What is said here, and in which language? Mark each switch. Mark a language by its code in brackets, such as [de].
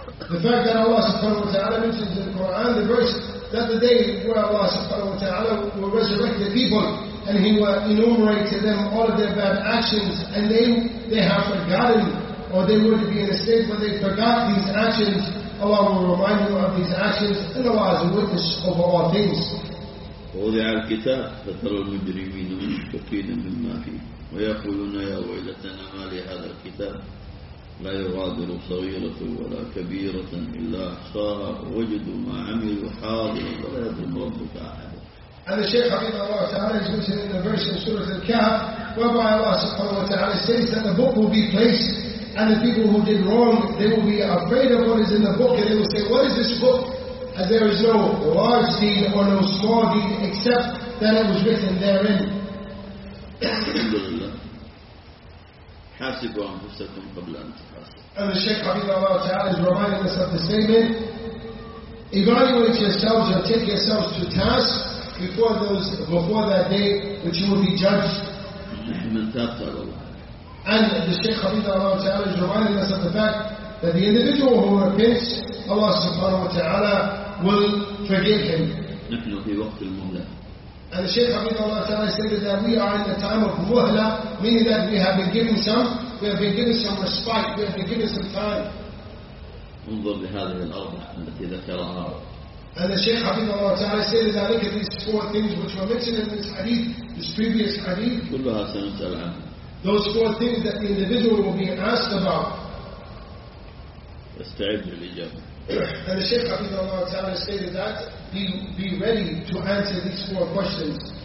[en] the fact that Allah subhanahu wa ta'ala mentions in the Quran the verse that the day where Allah subhanahu wa ta'ala will resurrect the people and He will enumerate to them all of their bad actions, and they have forgotten, or they were to be in a state where they forgot these actions, Allah will remind them of these actions, and Allah is a witness over all things. [ar] ووضع الكتاب فترى المجرمين مشفقين مما فيه ويقولون يا ويلتنا ما لهذا الكتاب لا يغادر صغيرة ولا كبيرة إلا أحصاها وجدوا ما عملوا حاضرا ولا يظلم ربك أحدا. [en] And the Shaykh Hafiz Allah Ta'ala is mentioned in the verse in Surah Al-Kahf, whereby Allah subhanahu wa ta'ala says that the book will be placed, and the people who did wrong, they will be afraid of what is in the book, and they will say, what is this book? As there is no large deed or no small deed except that it was written therein. [ar] Alhamdulillah. Hasibu anfusakum qabla an tuhasabu. [en] And the Shaykh Hafiz Allah Ta'ala is reminding us of the statement, evaluate yourselves or take yourselves to task before that day which you will be judged. And the Shaykh Hafiz Allah Ta'ala is reminding us of the fact that the individual who repents, Allah subhanahu wa ta'ala will forgive him. [ar] نحن في وقت المهلة. [en] And the Shaykh Hafiz Allah Ta'ala stated that we are in the time of muhla, meaning that we have been given some respite, we have been given some time. [ar] انظر لهذه الأربع التي ذكرها. [en] And the Shaykh Hafiz Allah Ta'ala stated that look at these four things which were mentioned in this previous hadith. [ar] كلها سنسأل عنها. [en] Those four things that the individual will be asked about. [ar] استعد للإجابة. [en] And the Shaykh Hafiz Allah Ta'ala stated that be ready to answer these four questions.